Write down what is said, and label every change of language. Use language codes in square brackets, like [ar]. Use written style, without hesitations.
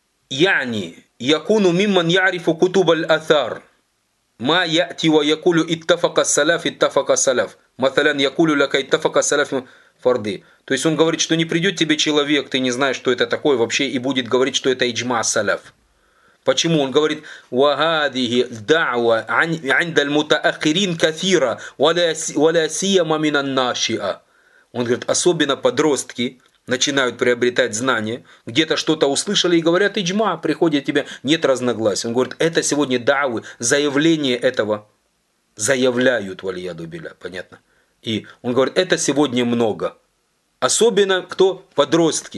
[ar] يعني يكون ممن يعرف كتب الأثار ما يأتي ويقول اتفق السلف اتفق السلف مثلا يقول لك اتفق السلف [ru] Фарды. То есть он говорит, что не придет тебе человек, ты не знаешь, что это такое вообще, и будет говорить, что это иджма саляф. Почему? Он говорит, [ar] وَهَذِهِ دَعْوَ عِنْدَ الْمُتَأَخِّرِينَ كَثِيرًا وَلَا سِيَمَ مِنَ النَّاشِئَ. [ru] Он говорит, особенно подростки начинают приобретать знания, где-то что-то услышали и говорят, иджма, приходит тебе, нет разногласий. Он говорит, это сегодня дауы, заявление этого заявляют, вальяду биля, понятно? И он говорит, это сегодня много. Особенно кто? Подростки.